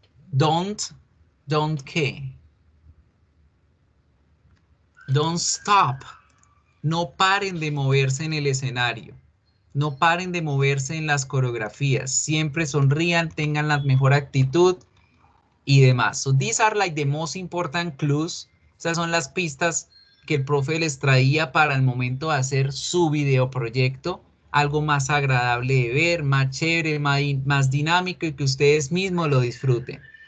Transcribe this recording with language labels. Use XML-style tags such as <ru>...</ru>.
<en>Don't qué. Don't stop.</en> <es>No paren de moverse en el escenario. No paren de moverse en las coreografías. Siempre sonrían, tengan la mejor actitud y demás.</es> <en>So these are like the most important clues.</en> <es>Esas son las pistas que el profe les traía para el momento de hacer su videoproyecto. algo más agradable de ver, más chévere, más dinámico y que ustedes mismos lo disfruten.</es>